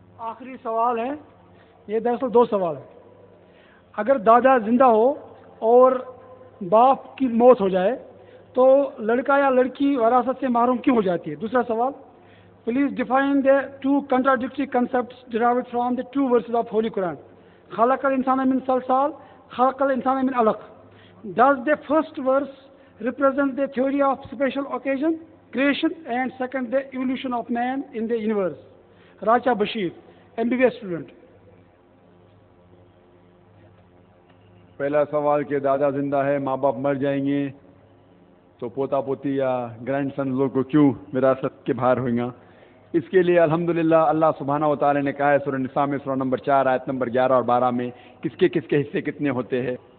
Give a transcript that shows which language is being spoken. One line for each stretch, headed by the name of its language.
Urdu: آخری سوال ہے، یہ دراصل دو سوال ہیں. اگر دادا زندہ ہو اور باپ کی موت ہو جائے تو لڑکا یا لڑکی وراثت سے محروم کیوں ہو جاتی ہے؟ دوسرا سوال،
English: please define the two contradictory concepts derived from the two verses of holy قرآن،
Arabic: خلق الانسان من صلصال، خلق الانسان من علق.
English: Does the first verse represent the theory of special occasion creation and second the evolution of man in the universe? Raja Bashir, M B B S student.
Urdu: پہلا سوال کہ دادا زندہ ہے، ماں باپ مر جائیں گے تو پوتا پوتی یا گرینڈ سن لوگ کو کیوں وراثت کے باہر ہوئیں گا؟ اس کے لیے الحمدللہ اللہ سبحانہ و تعالی نے کہا ہے سورہ نساء میں سورہ نمبر 4 آیت نمبر 11 اور 12 میں کس کے کس کے حصے کتنے ہوتے ہیں.